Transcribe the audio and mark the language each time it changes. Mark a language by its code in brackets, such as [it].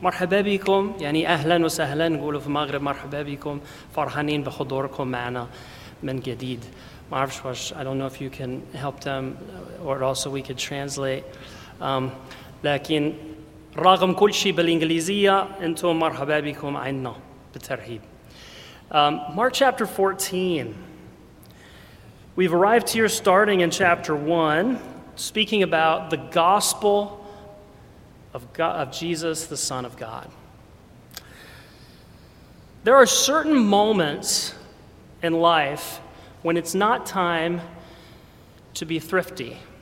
[ar] مرحبا بكم يعني اهلا وسهلا نقولوا في المغرب مرحبا بكم فرحانين بحضوركم معنا من جديد. [en] I don't know if you can help them or also we could translate. [ar] لكن رغم كل شيء بالانجليزيه انتم مرحبا بكم عندنا بالترحيب. [en] Mark chapter 14. We've arrived here starting in chapter 1. Speaking about the gospel of God, of Jesus, the Son of God. There are certain moments in life when it's not time to be thrifty.